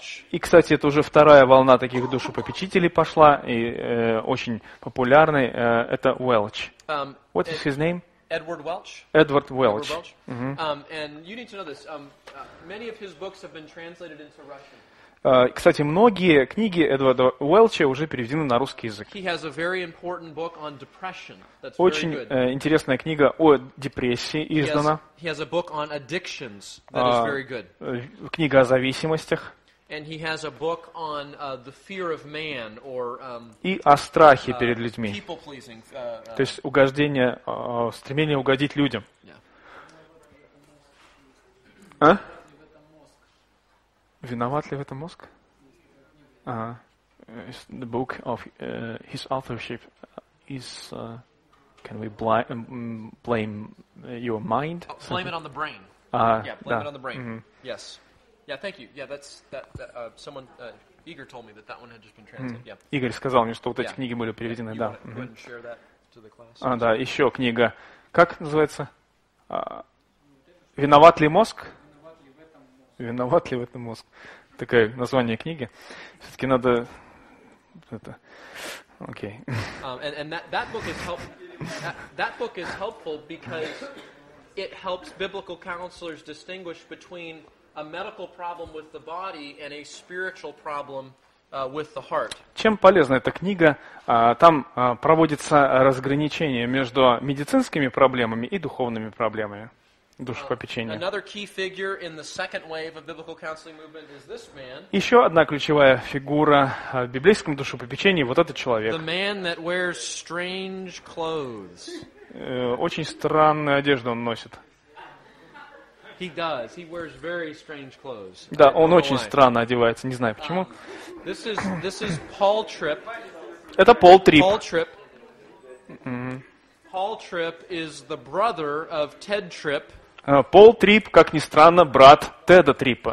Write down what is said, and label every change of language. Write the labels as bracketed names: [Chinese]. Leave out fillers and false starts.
[Russian] И, кстати, это уже вторая волна таких душепопечителей пошла, и очень популярный. Это Уэлч. [English] What is his name? Edward Welch. Edward Welch. And you need to know this. Many of his books have been translated into Russian. [Russian] Кстати, многие книги Эдварда Уэлча уже переведены на русский язык. Очень интересная книга о депрессии издана. Книга о зависимостях. И о страхе перед людьми. То есть угождение, стремление угодить людям. А? Виноват ли в этом мозг? [English] The book of his authorship is can we blame your mind? Blame it on the brain. It on the brain. Mm-hmm. Yes. Yeah, thank you. Yeah, that's that someone Игорь told me that that one had just been translated. Mm-hmm. Yeah. [Russian] Игорь сказал мне, что вот эти книги были переведены, да. [English] Mm-hmm. You wanna share that to the class? [Russian] Да, еще книга. Как называется? Виноват ли мозг? Виноват ли в этом мозг? Такое название книги. Все-таки надо это. Окей. [English] That book is helpful because it helps biblical counselors distinguish between a medical problem with the body and a spiritual problem with the heart. [Russian] Чем полезна эта книга? Там проводится разграничение между медицинскими проблемами и духовными проблемами. Душепопечения. Еще одна ключевая фигура в библейском душепопечении – вот этот человек. [English] The man that wears strange clothes. [Russian] Очень странную одежду он носит. [English] He does. He wears very strange clothes. [Russian] Да, он очень странно одевается, не знаю почему. [English] This is Paul Tripp. [Russian] Это Пол Трипп. [English] Paul Tripp. Paul Tripp is the brother of Ted Tripp. [Russian] Пол Трипп, как ни странно, брат Теда Триппа.